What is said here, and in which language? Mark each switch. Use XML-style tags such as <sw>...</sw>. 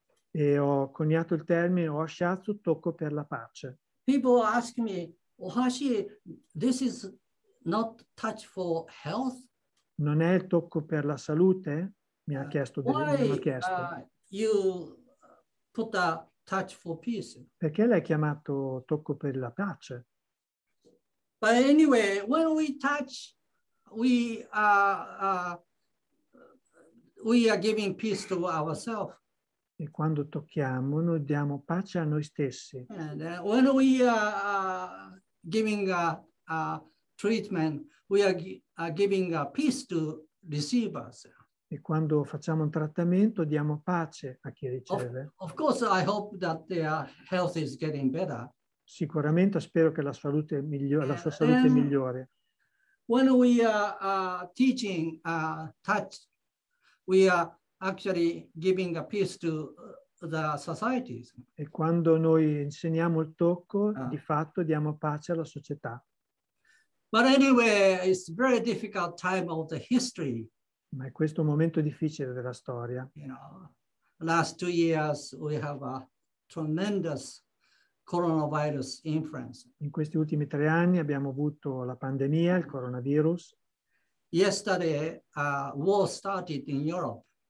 <it>E ho coniato il termine Ohashiatsu, tocco per la pace.</it> <en>People ask me, Ohashi, this is not touch for health?</en> <it>Non è il tocco per la salute? Mi ha chiesto.</it> <en>Why you put a touch for peace?</en> <it>Perché l'hai chiamato tocco per la pace?</it> <en>But anyway, when we touch, we are... We are giving peace to ourselves.</en> <it>E quando tocchiamo, noi diamo pace a noi stessi.</it> <en>And when we are giving a treatment, we are giving a peace to receive us.</en> <it>E quando facciamo un trattamento, diamo pace a chi riceve.</it> <en>Of course, I hope that their health is getting better.</en> <it>Sicuramente spero che la sua salute migliore.</it> <en>When we are teaching touch. We are actually giving a peace to the societies.</en> <it>E quando noi insegniamo il tocco, di fatto diamo pace alla società.</it> <en>But anyway, it's a very difficult time of the history.</en> <it>Ma è questo un momento difficile della storia.</it> <en>You know, last 2 years we have a tremendous coronavirus influence.</en> <it>In questi ultimi 3 anni abbiamo avuto la pandemia, il coronavirus.</it> <en>Yesterday a war started in Europe.</en>